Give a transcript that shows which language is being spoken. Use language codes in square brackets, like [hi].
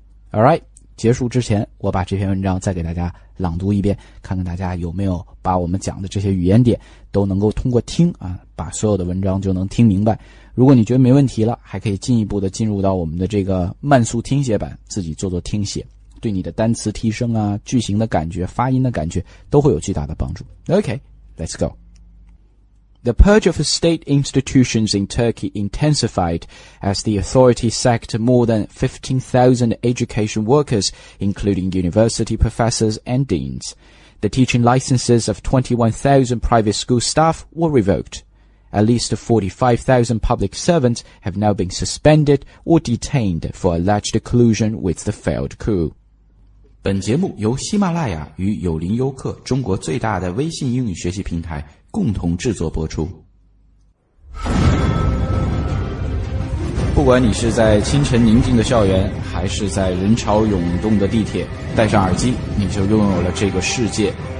[en] Alright， [zh] 结束之前我把这篇文章再给大家朗读一遍，看看大家有没有把我们讲的这些语言点都能够通过听啊，把所有的文章就能听明白。如果你觉得没问题了，还可以进一步的进入到我们的这个慢速听写版，自己做做听写，对你的单词提升啊，句型的感觉，发音的感觉，都会有巨大的帮助。 [en] Okay, let's go. The purge of state institutions in Turkey intensified as the authorities sacked more than 15,000 education workers, including university professors and deans. The teaching licenses of 21,000 private school staff were revoked. At least 45,000 public servants have now been suspended or detained for alleged collusion with the failed coup. [zh] 本节目由喜马拉雅与有灵优客中国最大的微信英语学习平台共同制作播出。不管你是在清晨宁静的校园，还是在人潮涌动的地铁，戴上耳机，你就拥有了这个世界。